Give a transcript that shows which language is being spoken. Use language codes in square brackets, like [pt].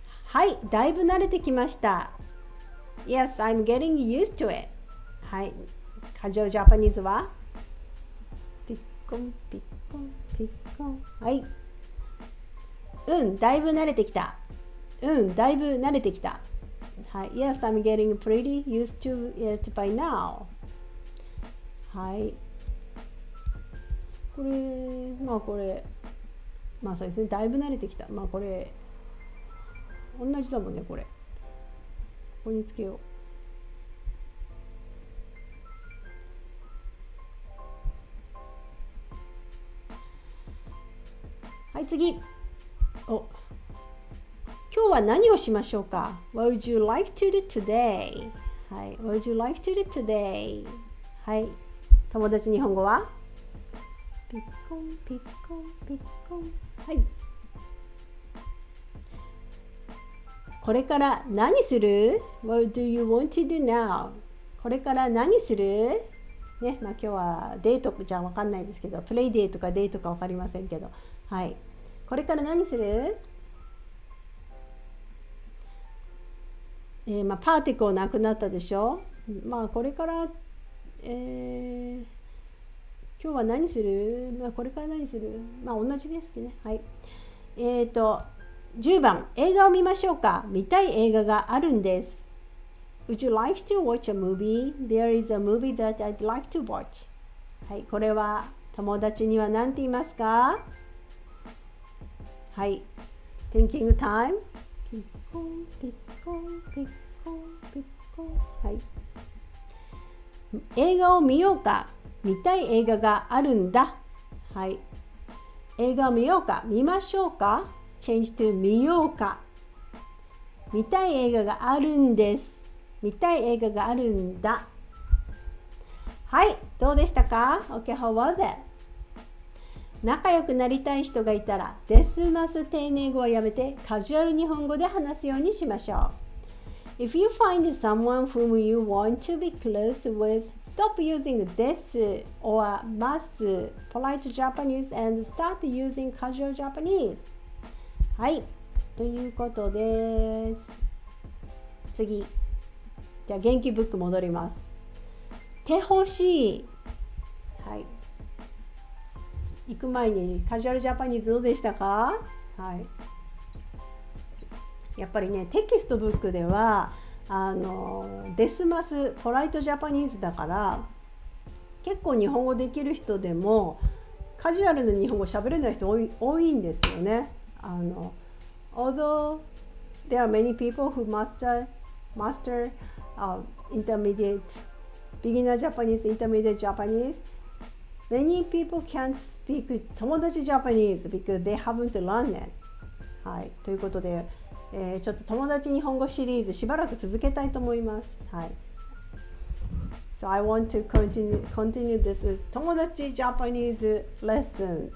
[ja] はい、だいぶ慣れてきました。 [en] Yes, I'm getting used to it. はい。 [ja] カジュアルジャパニーズはピッコンピッコンピッコン。はい。うん、だいぶ慣れてきた。うん、だいぶ慣れてきた。はい。 [en] Yes, I'm getting pretty used to it by now. [ja] はい。これ、まあこれ、まあそうですね。だいぶ慣れてきた。まあこれ、同じだもんね、これ。ここにつけよう。はい、次。お、今日は何をしましょうか。 [en] What would you like to do today? はい、 What would you like to do today? [ja] はい、友達日本語はピッコンピッコンピッコン。はい、これから何する？ [en] What do you want to do now? [ja] これから何する？ね、まあ今日はデートじゃわかんないですけど、プレイデートかデートかわかりませんけど、はい。これから何する？まあ、パーティクルなくなったでしょ。まあこれから、今日は何する？まあこれから何する？まあ同じですけどね。はい。10番、映画を見ましょうか。見たい映画があるんです。 [en] Would you like to watch a movie? There is a movie that I'd like to watch. [ja] はい、これは友達には何て言いますか？はい、 [en] Thinking time。 [ja] ピッコンピッコンピッコンピッコン。はい。映画を見ようか。見たい映画があるんだ。はい。映画を見ようか。見ましょうか。 [en] Change to [ja] 見ようか。見たい映画があるんです。見たい映画があるんだ。はい。どうでしたか ? [en] Okay, how was it? [ja] 仲良くなりたい人がいたら、ですます丁寧語をやめて、カジュアル日本語で話すようにしましょう。 [en] If you find someone whom you want to be close with, stop using this or must polite Japanese and start using casual Japanese. [ja] はい、ということです。次、じゃあ元気ブック戻ります。手欲しい。はい。行く前にカジュアルジャパニーズどうでしたか？はい。やっぱりね、テキストブックではデスマスポライトジャパニーズだから結構日本語できる人でもカジュアルな日本語喋れない人多いんですよね。 [en] Although there are many people who master intermediate beginner Japanese, intermediate Japanese, many people can't speak 友達ジャパニーズ because they haven't learned it。 [ja] はい、ということでちょっと友達日本語シリーズしばらく続けたいと思います。はい。 [en] So I want to continue this 友達 Japanese lesson.